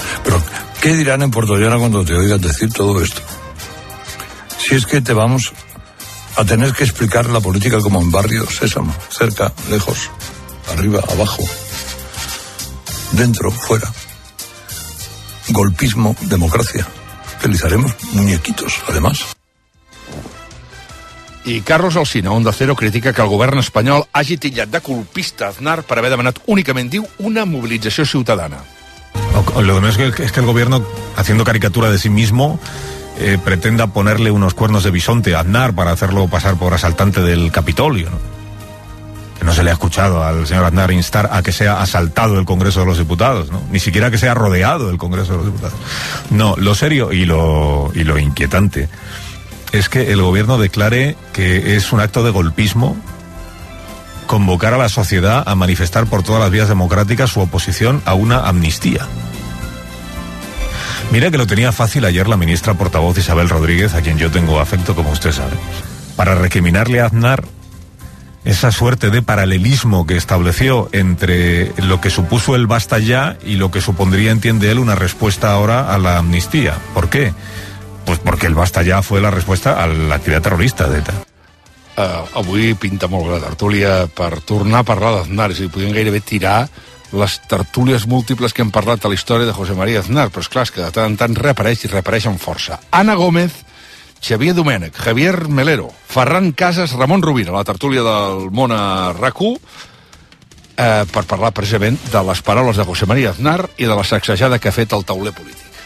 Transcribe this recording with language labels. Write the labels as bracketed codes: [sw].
[es] Pero, ¿qué dirán en portollano cuando te oigan decir todo esto? Si es que te vamos a tener que explicar la política como en barrio, sésamo, cerca, lejos, arriba, abajo, dentro, fuera. Golpismo, democracia. Realizaremos muñequitos, además. [ca] I Carlos Alsina, Onda Cero, critica que el govern espanyol hagi titllat de colpista Aznar per haver demanat únicament, diu, una mobilització ciutadana. [es] Lo demás es que el gobierno, haciendo caricatura de sí mismo, pretenda ponerle unos cuernos de bisonte a Aznar para hacerlo pasar por asaltante del Capitolio, ¿no? Que no se le ha escuchado al señor Aznar instar a que sea asaltado el Congreso de los Diputados, ¿no? Ni siquiera que sea rodeado el Congreso de los Diputados. No, lo serio y lo inquietante es que el gobierno declare que es un acto de golpismo convocar a la sociedad a manifestar por todas las vías democráticas su oposición a una amnistía. Mira que lo tenía fácil ayer la ministra portavoz Isabel Rodríguez, a quien yo tengo afecto, como usted sabe, para recriminarle a Aznar esa suerte de paralelismo que estableció entre lo que supuso el basta ya y lo que supondría, entiende él, una respuesta ahora a la amnistía. ¿Por qué? Pues porque el basta ya fue la respuesta a l'actividad terrorista d'ETA. [ca] Avui pinta molt la tertúlia per tornar a parlar d'Aznar. És a dir, podríem gairebé tirar les tertúlies múltiples que hem parlat a la història de José María Aznar. Però és clar, és que de tant en tant reapareix i reapareix amb força. Ana Gómez, Xavier Domènech, Javier Melero, Ferran Casas, Ramon Rovira, la tertúlia del món a RAC1, per parlar precisament de les paraules de José María Aznar i de la sacsejada que ha fet el tauler polític.